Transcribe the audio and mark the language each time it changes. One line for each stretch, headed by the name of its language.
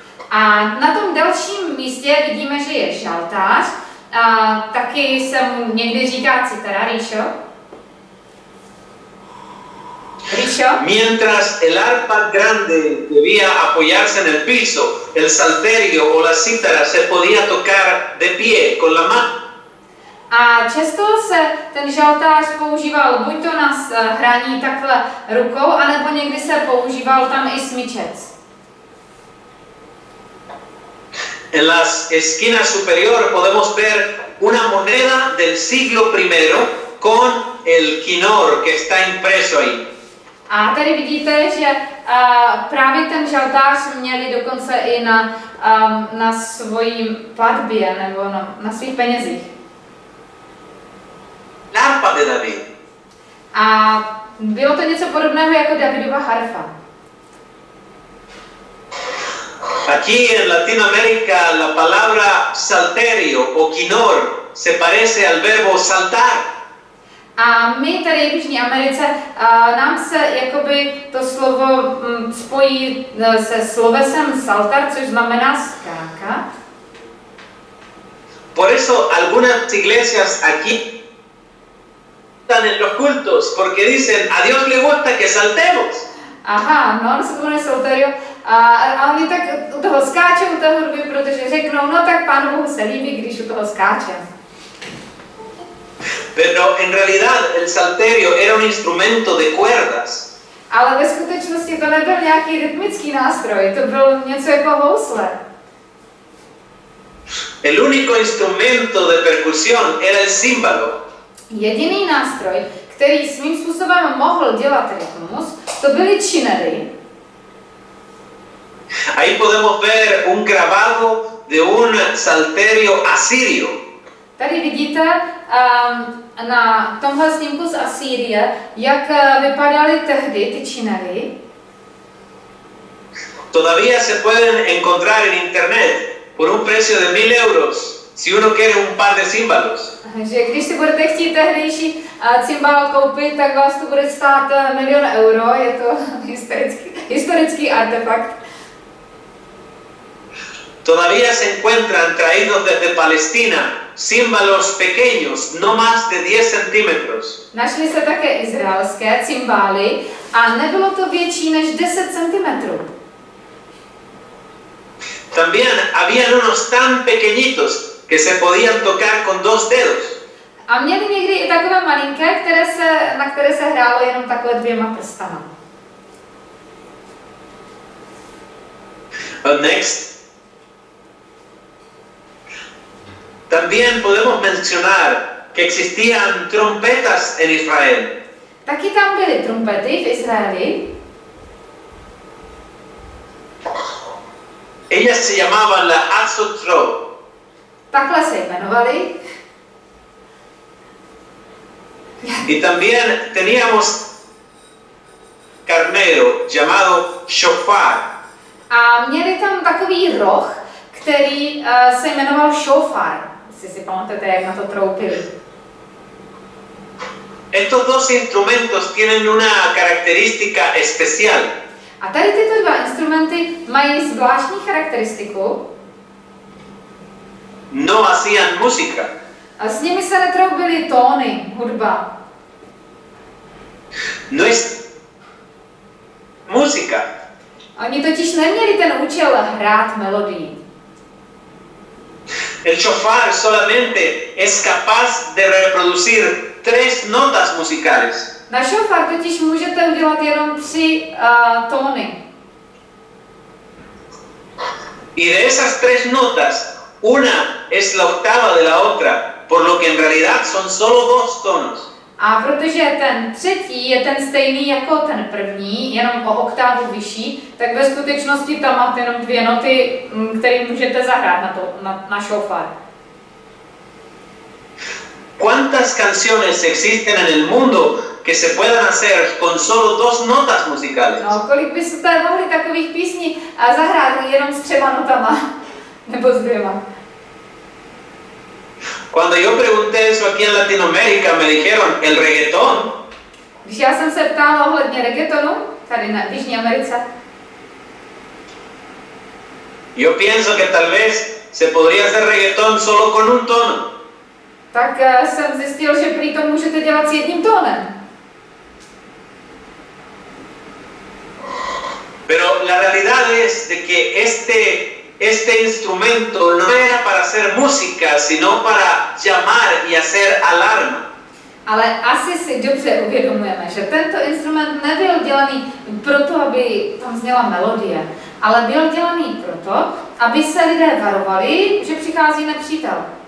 Czech: A na tom dalším místě vidíme, že je šaltář. A taky se mu někdy říká citara, ríšo. Ríšo?
Spanish: Mientras el arpa grande debía apoyarse en el piso, el salterio o la cítara se podía tocar de pie con la mano.
Czech: A často se ten žaltář používal buď to na hraní takhle rukou, anebo někdy se používal tam i smyčec.
Spanish: En la esquina superior podemos ver una moneda del siglo primero con el kinor que está impreso ahí.
Czech: A tady vidíte, že právě ten žaltář měli dokonce i na svojí platbě nebo na svých penězích.
Spanish: Harpa de David.
Czech: A bylo to něco podobného jako Davidova harfa.
Spanish: Aquí en Latinoamérica la palabra salterio o quinor se parece al verbo saltar.
Czech: A my tady v Jižní Americe, nám se jakoby to slovo spojí se slovesem saltar, což znamená skákat.
Spanish: Por eso algunas iglesias aquí están en los cultos, porque dicen, a Dios le gusta que saltemos. Aha, no, no se pone solterio.
Czech: A oni tak u toho skáče, u té hudby, protože řeknou, no tak Pánu Bohu se líbí, když u toho skáče.
Spanish: Pero en realidad el salterio era un instrumento de cuerdas.
Czech: Ale ve skutečnosti to nebyl nějaký rytmický nástroj, to bylo něco jako housle.
Spanish: El único instrumento de percusión era el címbalo.
Czech: Jediný nástroj, který svým způsobem mohl dělat rytmus, to byly činely.
Spanish: Ahí podemos ver un grabado de un salterio asirio.
Czech: Tady vidíte na tomhle snímku z Asýrie, jak vypadaly tehdy ty činely.
Spanish: Todavía se pueden encontrar en internet por un precio de 1000 euros si uno quiere un par de címbalos.
Czech: Takže když si budete chtít tehdejší címbal koupit, tak vás to bude stát 1 000 000 euro, je to historický artefakt.
Spanish: Todavía se encuentran traídos desde Palestina címbalos pequeños, no más de 10 centímetros.
Czech: Našli se také izraelské címbály a nebylo to větší než 10 centimetrů.
Spanish: También habían unos tan pequeñitos que se podían tocar con dos dedos.
Czech: A měli někdy i takové malinké, na které se hrálo jenom takhle dvěma prstama.
English: Next.
Spanish: También podemos mencionar que existían trompetas en Israel.
Czech: Taky tam byly trompety v Izraeli.
Spanish: Ellas se llamaban la azotrop.
Czech: Takhle se jmenovaly.
Spanish: Y también teníamos carnero llamado shofar.
Czech: A měli tam takový roh, který se jmenoval shofar. Si pamatujete, jak na to troupili.
Spanish: Estos dos instrumentos tienen una característica especial.
Czech: A tady tyto dva instrumenty mají zvláštní charakteristiku.
Spanish: No hacían música.
Czech: A s nimi se netroubily tóny, hudba.
Spanish: No es música.
Czech: Oni totiž neměli ten účel hrát melodii.
Spanish: El shofar solamente es capaz de reproducir tres notas musicales.
Czech: Na shofar totiž můžete udělat jenom tři tóny.
Spanish: Y de esas tres notas, una es la octava de la otra, por lo que en realidad son solo dos tonos.
Czech: A protože ten třetí je ten stejný jako ten první, jenom o oktávu vyšší, tak ve skutečnosti tam máte jenom dvě noty, které můžete zahrát na šofar.
Spanish: ¿Cuántas canciones existen en el mundo que se puedan hacer con solo dos notas musicales?
Czech: No, kolik byste mohli takových písní zahrát jenom s třema notama, nebo s dvěma?
Spanish: Cuando yo pregunté eso aquí en Latinoamérica, me dijeron, ¿el reggaetón?
Czech: Když já jsem se ptal ohledně reggaetonu, tady na Jižní Americe.
Spanish: Yo pienso que tal vez se podría hacer reggaetón solo con un tono.
Czech: Tak jsem zjistil, že prý to můžete dělat s jedním tónem.
Spanish: Pero la realidad es de que este instrumento no era para hacer música, sino para llamar y hacer alarma.
Czech: Ale asi si dobře uvědomujeme, že tento instrument nebyl dělaný proto, aby tam zněla melodie, ale byl dělaný proto, aby se lidé varovali, že přichází nepřítel.